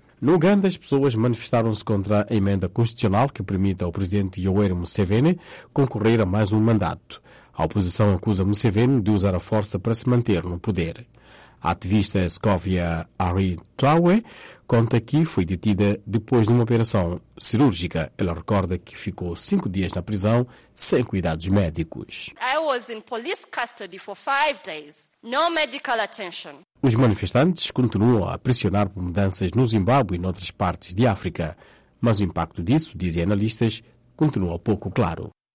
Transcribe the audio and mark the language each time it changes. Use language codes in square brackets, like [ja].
[pt] No Uganda, as pessoas manifestaram-se contra a emenda constitucional que permite ao presidente Yoweri Museveni concorrer a mais um mandato. A oposição acusa Museveni de usar a força para se manter no poder. A ativista Scovia Aritrawe conta que foi detida depois de uma operação cirúrgica. Ela recorda que ficou 5 dias na prisão sem cuidados médicos. [en] I was in police custody for 5 days. No medical attention. [pt] Os manifestantes continuam a pressionar por mudanças no Zimbábue e noutras partes de África. Mas o impacto disso, dizem analistas, continua pouco claro.